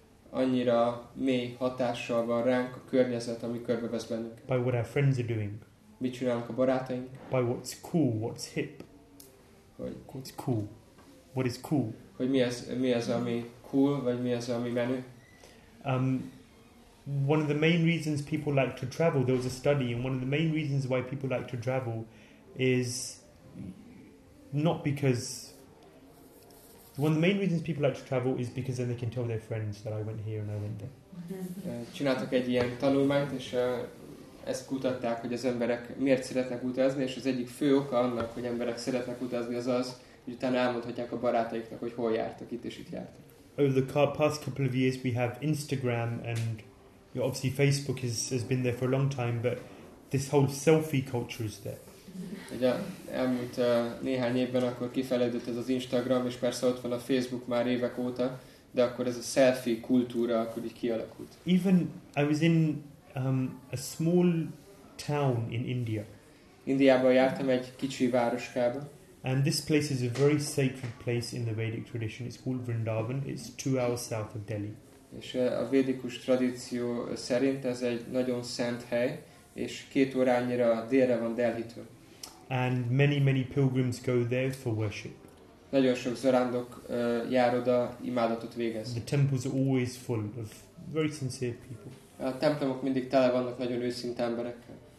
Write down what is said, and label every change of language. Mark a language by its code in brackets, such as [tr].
[hu] Annyira mély hatással van ránk a környezet, ami körbevesz bennünket. [en] By what our friends are doing. [hu] Mit csinálnak a barátaink? [en] By what's cool, what's hip. [hu] Hogy [en] what's cool? What is cool? [hu] Hogy mi az, ami cool, vagy mi az, ami menő? [en] One of the main reasons people like to travel, there was a study, and one of the main reasons why people like to travel is not because... One of the main reasons people like to travel is because then they can tell their friends that I went here and I went there. [hu] Csináltak egy ilyen tanulmányt, és ezt kutatták, hogy az emberek miért szeretnek utazni, és az egyik fő oka annak, hogy emberek szeretnek utazni, az az, hogy utána elmondhatják a barátaiknak, hogy hol jártak, itt és itt jártak. [en] Over the past couple of years we have Instagram and obviously Facebook has been there for a long time, but this whole selfie culture is there. [hu] Ugye elmúlt néhány évben akkor kifejlődött ez az Instagram, és persze ott van a Facebook már évek óta, de akkor ez a selfie kultúra akkor így kialakult. [en] Even I was in a small town in India. [hu] Indiában jártam egy kicsi városkába. [en] And this place is a very sacred place in the Vedic tradition. It's called Vrindavan. It's 2 hours south of Delhi. [hu] És a védikus tradíció szerint ez egy nagyon szent hely, és 2 órányira délre van Delhitől. [en] And many, many pilgrims go there for worship. [hu] Nagyon sok zarándok jár oda, imádatot végez. [en] The temples are always full of very sincere people. [hu] A templomok mindig tele vannak nagyon őszinte emberekkel.